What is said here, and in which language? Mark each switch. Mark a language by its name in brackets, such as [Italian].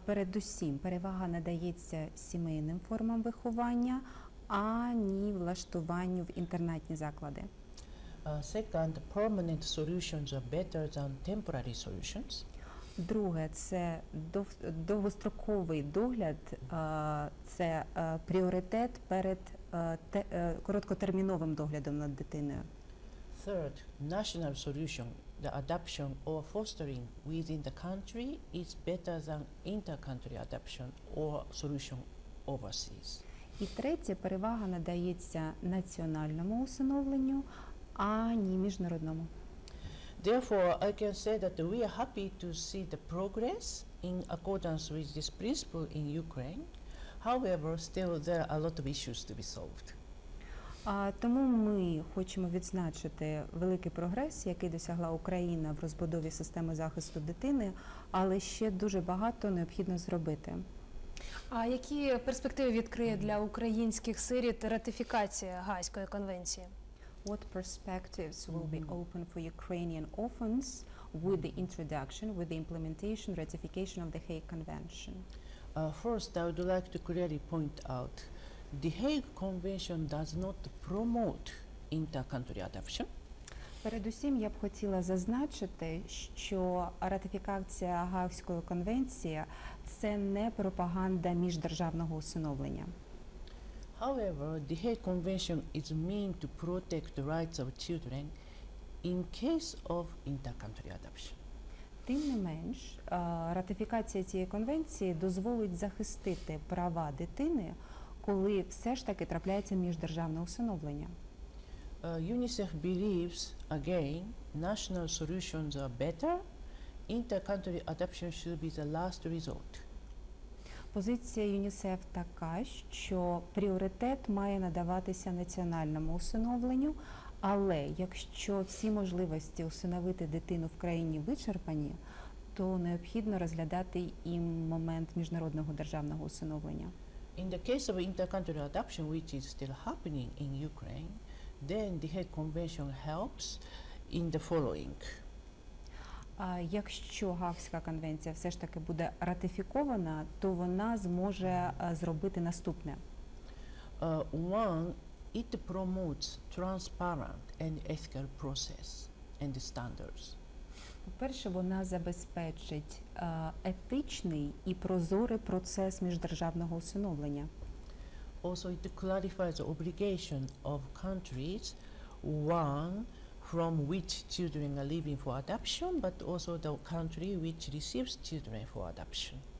[Ukrainian] Передусім, перевага надається сімейним формам виховання, ані влаштуванню в інтернатні заклади. [English] Second, permanent solutions are better than temporary solutions. [Ukrainian] Друге, це довгостроковий догляд, це пріоритет перед короткотерміновим доглядом над дитиною. [English] Third, national solution, the adoption or fostering within the country is better than inter-country adoption or solution overseas. [Ukrainian] І третє, перевага надається національному усиновленню, ані міжнародному. [English] Therefore, I can say that we are happy to see the progress in accordance with this principle in Ukraine. However, still there are a lot of issues to be solved. [Ukrainian] Тому ми хочемо відзначити великий прогрес, який досягла Україна в розбудові системи захисту дитини, але ще дуже багато необхідно зробити. А які перспективи відкриє для українських сиріт ратифікація Гаазької конвенції? [English] What perspectives will be open for Ukrainian orphans with the introduction, with the implementation, ratification of the Hague Convention? First, I would like to clearly point out the Hague Convention does not promote inter-country adoption. [Ukrainian] Передусім, я б хотіла зазначити, що ратифікація Гаазької конвенції – це не пропаганда міждержавного усиновлення. [English] However, the Hague Convention is meant to protect the rights of children in case of inter-country adoption. [Ukrainian] Тим не менш, ратифікація цієї конвенції дозволить захистити права дитини, коли все ж таки трапляється міждержавне усиновлення. [English] UNICEF believes, again, national solutions are better. Inter-country adoption should be the last resort. [Ukrainian] Позиція ЮНІСЕФ така, що пріоритет має надаватися національному усиновленню, але якщо всі можливості усиновити дитину в країні вичерпані, то необхідно розглядати і момент міжнародного державного усиновлення. [English] In the case of inter-country adoption, which is still happening in Ukraine, then the Hague Convention helps in the following. [Ukrainian] Якщо Гаазька конвенція все ж таки буде ратифікована, то вона зможе зробити наступне. [English] One, it promotes transparent and ethical process and standards. [Ukrainian] По-перше, вона забезпечить етичний і прозорий процес міждержавного усиновлення. [English] Also, it clarifies the obligation of countries, one, from which children are living for adoption, but also the country which receives children for adoption.